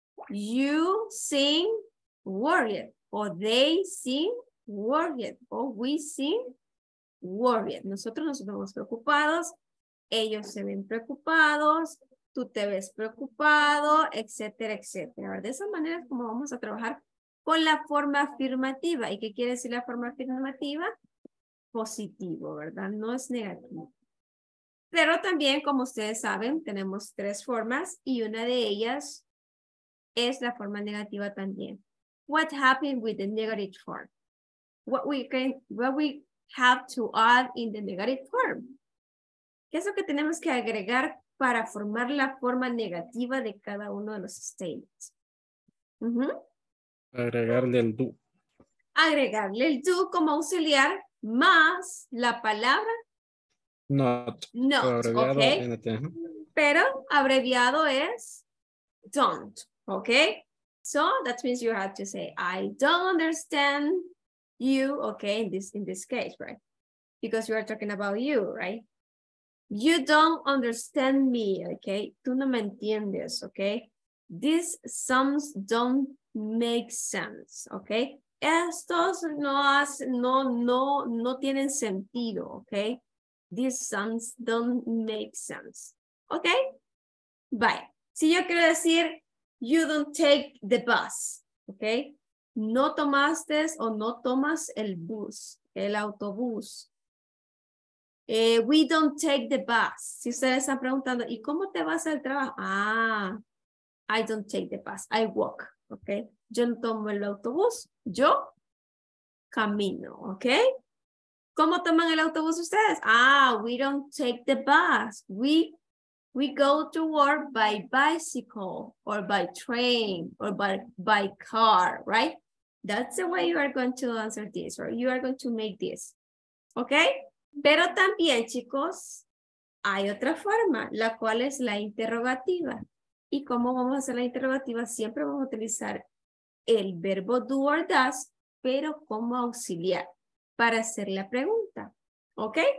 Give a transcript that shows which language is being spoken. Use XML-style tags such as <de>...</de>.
<en>You seem worried, o they seem worried, or we seem worried.</en> <es>Nosotros nos vemos preocupados, ellos se ven preocupados, tú te ves preocupado, etcétera, etcétera. De esa manera es como vamos a trabajar con la forma afirmativa. ¿Y qué quiere decir la forma afirmativa? Positivo, ¿verdad? No es negativo. Pero también, como ustedes saben, tenemos tres formas y una de ellas es la forma negativa también.</es> <en>What happened with the negative form? What we have to add in the negative form?</en> <es>¿Qué es lo que tenemos que agregar para formar la forma negativa de cada uno de los statements? Uh-huh. Agregarle el do. Agregarle el do como auxiliar más la palabra</es> <en>not.</en> <es>Not, abreviado, okay. NT. Pero abreviado es don't, okay?</es> <en>So that means you have to say, I don't understand you, okay, in this case, right? Because you are talking about you, right? You don't understand me, okay?</en> <es>Tú no me entiendes, okay?</es> <en>These sums don't make sense, okay?</en> <es>Estos no tienen sentido, okay?</es> <en>These sums don't make sense, okay? Bye.</en> <es>Si yo quiero decir,</es> <en>you don't take the bus, okay?</en> <es>No tomaste o no tomas el bus, el autobús.</es> <en>We don't take the bus.</en> <es>Si ustedes están preguntando, ¿y cómo te vas al trabajo?</es> <en>Ah, I don't take the bus. I walk, okay?</en> <es>Yo no tomo el autobús. Yo camino, okay? ¿Cómo toman el autobús ustedes?</es> <en>Ah, we don't take the bus. We go to work by bicycle or by train or by car, right? That's the way you are going to answer this, or you are going to make this, okay?</en> <es>Pero también, chicos, hay otra forma, la cual es la interrogativa. ¿Y cómo vamos a hacer la interrogativa? Siempre vamos a utilizar el verbo do or does, pero como auxiliar para hacer la pregunta, ¿ok?</es>